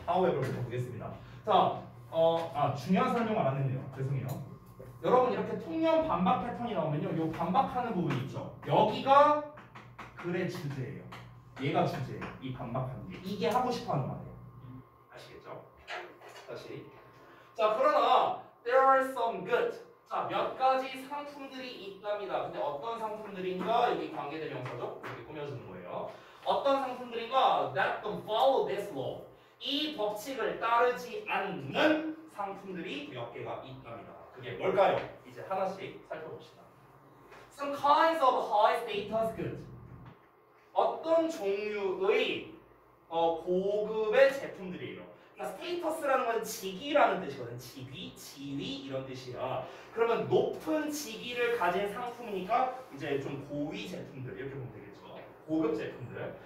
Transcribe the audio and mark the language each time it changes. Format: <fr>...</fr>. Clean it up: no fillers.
<ko>However 보겠습니다. 자, 중요한 설명 안 했네요. 죄송해요. 여러분 이렇게 통념 반박 패턴이 나오면요, 요 반박하는 부분이 있죠. 여기가 글의 주제예요. 얘가 주제예요. 이 반박하는 게 이게 하고 싶어하는 말이에요. 아시겠죠? 다시. 자, 그러나</ko> <en>there are some good.</en> <ko>자, 몇 가지 상품들이 있답니다. 근데 어떤 상품들인가? 여기 관계대명사죠? 이렇게 꾸며주는 거예요. 어떤 상품들인가?</ko> <en>That don't follow this law.</en> <ko>이 법칙을 따르지 않는 상품들이 몇 개가 있답니다. 그게 뭘까요? 이제 하나씩 살펴봅시다.</ko> <en>Some kinds of high status goods.</en> <ko>어떤 종류의 고급의 제품들이에요. 스테이터스라는 건 직위라는 뜻이거든. 직위, 지위 이런 뜻이야. 그러면 높은 직위를 가진 상품이니까 이제 좀 고위 제품들 이렇게 보면 되겠죠. 고급 제품들.</ko>